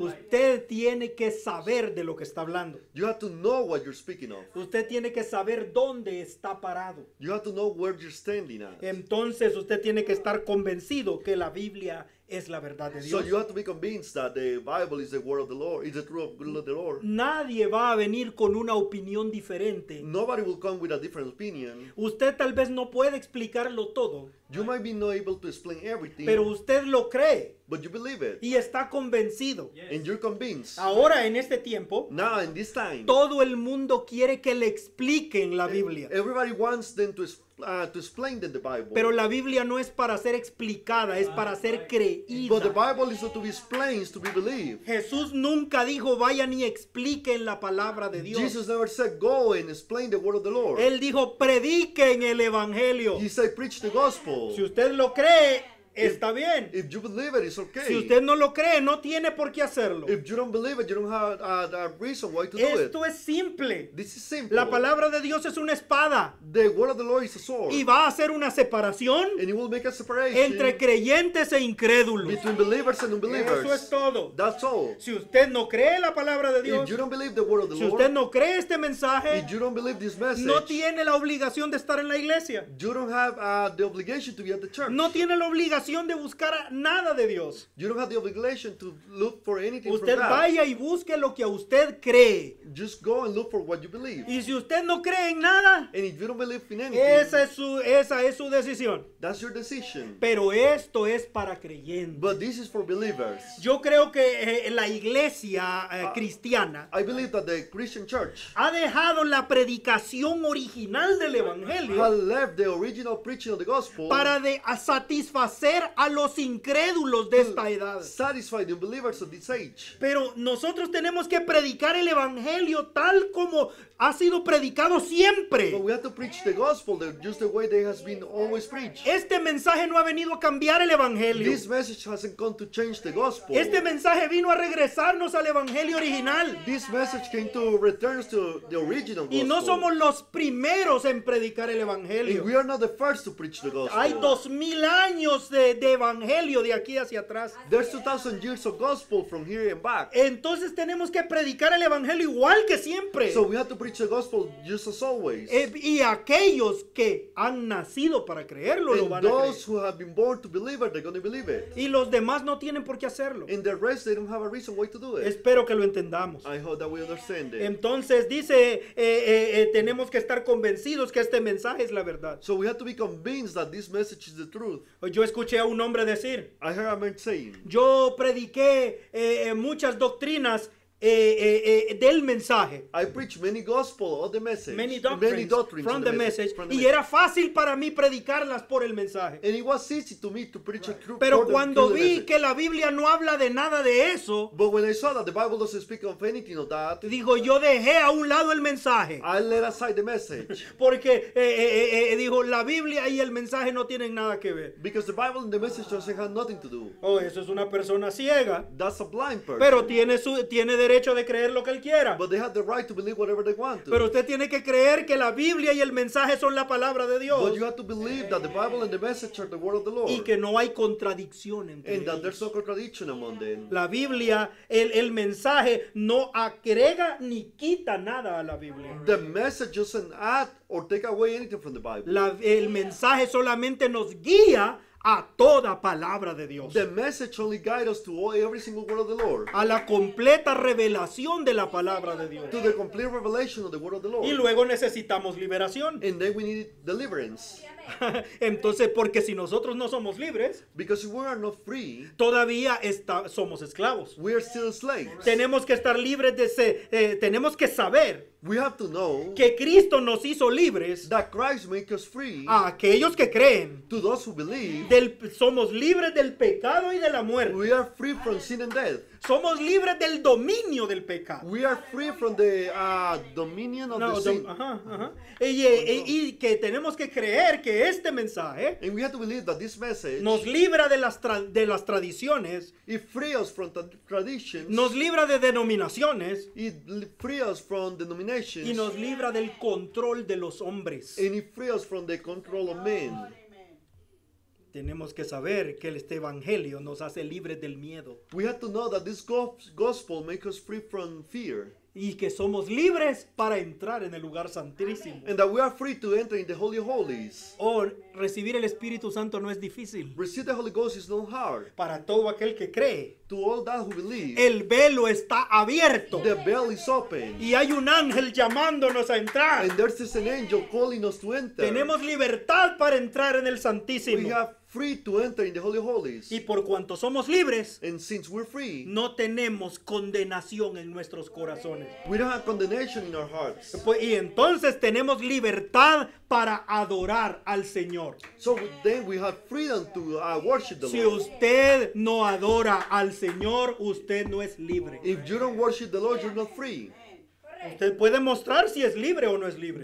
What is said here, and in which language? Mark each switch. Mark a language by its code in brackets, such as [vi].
[es] Usted tiene que saber de lo que está hablando. [en] You have to know what you're speaking of. [es] Usted tiene que saber dónde está parado. [en] You have to know where you're standing at. [es] Entonces usted tiene que estar convencido que la Biblia es la verdad de Dios. [en] So you have to be convinced that the Bible is the word of the Lord, is the truth of the Lord. [es] Nadie va a venir con una opinión diferente. [en] Nobody will come with a different opinion. [es] Usted tal vez no puede explicarlo todo. [en] You might be not able to explain everything. [es] Pero usted lo cree. [en] But you believe it. [es] Y está convencido. [en] Yes. And you're convinced. [es] Ahora en este tiempo. [en] Now in this time. [es] Todo el mundo quiere que le expliquen la Biblia. [en] Everybody wants them to explain them the Bible. [es] Pero la Biblia no es para ser explicada, es para ser creída. [en] But the Bible is not to be explained, it's to be believed. [es] Jesús nunca dijo vayan y expliquen la palabra de Dios. [en] Jesus never said go and explain the word of the Lord. [es] Él dijo prediquen el evangelio. [en] He said preach the gospel. [es] Si usted lo cree. Está bien. [en] If you believe it, it's okay. [es] Si usted no lo cree, no tiene por qué hacerlo. [en] If you don't believe it, you don't have a reason why to do [es] esto [en] it. [es] Esto es simple. [en] This is simple. [es] La palabra de Dios es una espada. [en] The word of the Lord is a sword. [es] Y va a hacer una separación. [en] And it will make a separation. [es] Entre creyentes e incrédulos. [en] Between believers and unbelievers. [es] Eso es todo. [en] That's all. [es] Si usted no cree la palabra de Dios. [en] If you don't believe the word of the [es] si [en] Lord. [es] Si usted no cree este mensaje. [en] If you don't believe this message. [es] No tiene la obligación de estar en la iglesia. [en] You don't have the obligation to be at the church. [es] No tiene la obligación. De buscar nada de Dios. [en] You don't have the obligation to look for anything [es] usted [en] from [es] vaya [en] God. [es] Y busque lo que usted cree. [en] Just go and look for what you believe. [es] Y si usted no cree en nada, [en] and if you don't believe in anything, [es] esa es su decisión. [en] That's your decision. [es] Pero esto es para creyentes. [en] But this is for believers. [es] Yo creo que la iglesia cristiana [en] I believe that the Christian church [es] ha dejado la predicación original del evangelio [en] has left the original preaching of the gospel [es] para de satisfacer hacer a los incrédulos de esta edad. [en] Satisfy the believers of this age. [es] Pero nosotros tenemos que predicar el evangelio tal como ha sido predicado siempre. [en] But we have to preach the gospel just the way it has been always preached. [es] Este mensaje no ha venido a cambiar el evangelio. [en] This message hasn't come to change the gospel. [es] Este mensaje vino a regresarnos al evangelio original. [en] This message came to return to the original gospel. [es] Y no somos los primeros en predicar el evangelio. [en] And we are not the first to preach the gospel. [es] Hay 2,000 años de evangelio de aquí hacia atrás. [en] There's 2,000 years of gospel from here and back. [es] Entonces tenemos que predicar el evangelio igual que siempre. [en] So we have to preach the gospel just as always. [es] Y aquellos que han nacido para creerlo [en] and [es] lo van a creer. [en] Those who have been born to believe it, they're going to believe it. [es] Y los demás no tienen por qué hacerlo. [en] And the rest, they don't have a reason why to do it. [es] Espero que lo entendamos. [en] I hope that we understand it. [es] Entonces dice, tenemos que estar convencidos que este mensaje es la verdad. [en] So we have to be convinced that this message is the truth. [es] Yo escuché a un hombre decir, [en] I heard a man saying, [es] yo prediqué muchas doctrinas del mensaje. [en] I preach many gospel or the message. Many doctrines from the message. [es] From the message. Y era fácil para mí predicarlas por el mensaje. [en] And it was easy to me to preach right. through, [es] pero cuando vi que la Biblia no habla de nada de eso, [en] but when I saw that the Bible doesn't speak of anything of that, [es] dijo, yo dejé a un lado el mensaje. [en] I let aside the message. [es] Porque dijo, la Biblia y el mensaje no tienen nada que ver. [en] Because the Bible and the message doesn't have nothing to do. [es] Oh, eso es una persona ciega. [en] That's a blind person. [es] Pero tiene derecho de creer lo que él quiera. [en] But they have the right to believe whatever they want to. [es] Pero usted tiene que creer que la Biblia y el mensaje son la palabra de Dios. [en] But you have to believe that the Bible and the message are the word of the Lord. [es] Y que no hay contradicción entre [en] and that there's no contradiction among them. [es] La Biblia, el mensaje no agrega ni quita nada a la Biblia. [en] The message doesn't add or take away anything from the Bible. [es] El mensaje solamente nos guía a toda palabra de Dios. [en] The message only guides us to every single word of the Lord. [es] A la completa revelación de la palabra de Dios. [en] To the complete revelation of the word of the Lord. [es] Y luego necesitamos liberación. [en] And then we need deliverance. [es] Entonces, porque si nosotros no somos libres, [en] because we are not free, [es] todavía somos esclavos. [en] We are still slaves. [es] Tenemos que estar libres de ser, tenemos que saber. [en] We have to know [es] que Cristo nos hizo libres. [en] That Christ makes us free. [es] A aquellos que creen, [en] to those who believe, [es] somos libres del pecado y de la muerte. [en] We are free from sin and death. [es] Somos libres del dominio del pecado. [en] We are free from the dominion of sin. [es] Y que tenemos que creer que este mensaje, [en] and we have to believe that this message, [es] nos libra de las tradiciones. [en] It frees us from traditions. [es] Nos libra de denominaciones. [en] It frees us from denominations. [es] Y nos libra del control de los hombres. [en] And it frees us from the control of men. [es] Tenemos que saber que este evangelio nos hace libres del miedo. [en] We have to know that this gospel makes us free from fear. [es] Y que somos libres para entrar en el lugar santísimo. [en] And that we are free to enter in the holy holies. [es] O recibir el Espíritu Santo no es difícil. [en] Receive the Holy Ghost is not hard. [es] Para todo aquel que cree. [en] To all that who believe. [es] El velo está abierto. [en] The veil is open. [es] Y hay un ángel llamándonos a entrar. [en] And there is an angel calling us to enter. [es] Tenemos libertad para entrar en el santísimo. [en] We have free to enter in the holy holies. [es] Y por cuanto somos libres, [en] and since we're free, [es] no tenemos condenación en nuestros corazones. [en] We don't have condemnation in our hearts. [es] Pues, y entonces tenemos libertad para adorar al Señor. [en] So then we have freedom to worship the [es] si [en] Lord. [es] Si usted no adora al Señor, usted no es libre. [en] If you don't worship the Lord, you're not free. [es] Usted puede mostrar si es libre o no es libre.